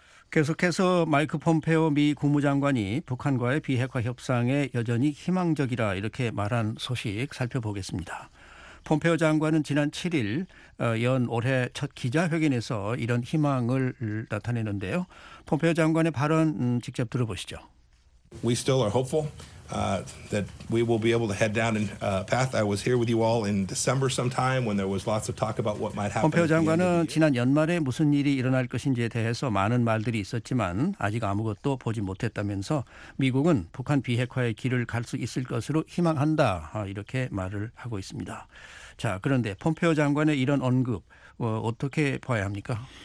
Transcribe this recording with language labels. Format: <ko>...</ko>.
<ko>계속해서 마이크 폼페오 미 국무장관이 북한과의 비핵화 협상에 여전히 희망적이라 이렇게 말한 소식 살펴보겠습니다. 폼페오 장관은 지난 7일 연 올해 첫 기자회견에서 이런 희망을 나타내는데요. 폼페오 장관의 발언 직접 들어보시죠.</ko> <en>We still are hopeful that we will be able to head down a path. I was here with you all in December sometime when there was lots of talk about what might happen.</en> <ko>폼페오 장관은 지난 연말에 무슨 일이 일어날 것인지에 대해서 많은 말들이 있었지만 아직 아무것도 보지 못했다면서 미국은 북한 비핵화의 길을 갈 수 있을 것으로 희망한다 이렇게 말을 하고 있습니다. 자, 그런데 폼페오 장관의 이런 언급 어떻게 봐야 합니까?</ko>